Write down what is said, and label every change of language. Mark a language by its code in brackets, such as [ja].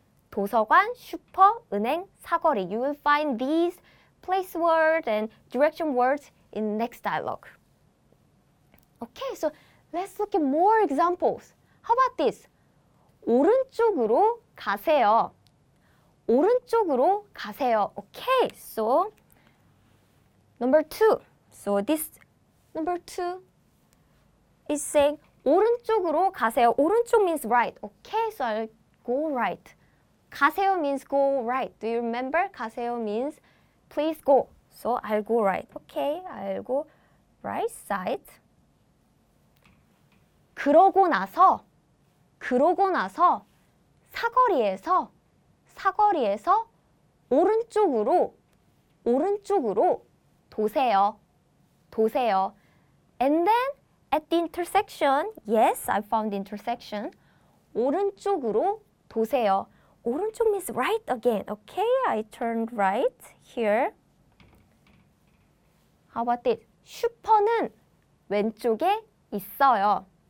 [ko] 도서관, 슈퍼, 은행, 사거리. [en] You will find these place words and direction words in next dialogue. Okay, so let's look at more examples. How about this? [ko] 오른쪽으로 가세요. 오른쪽으로 가세요. [en] Okay, so number two. So this number two is saying [ko] 오른쪽으로 가세요. [en] 오른쪽 means right. Okay, so I'll go right. 가세요 means go right. Do you remember? 가세요 means please go. So I'll go right. Okay, I'll go right side. [ko] 그러고 나서 그러고 나서 사거리에서 사거리에서 오른쪽으로 오른쪽으로 도세요. 도세요. [en] And then at the intersection, yes, I found the intersection. [ko] 오른쪽으로 도세요. [en] 오른쪽 means right again. Okay, I turned right here. How about this? [ko] 슈퍼는 왼쪽에 있어요.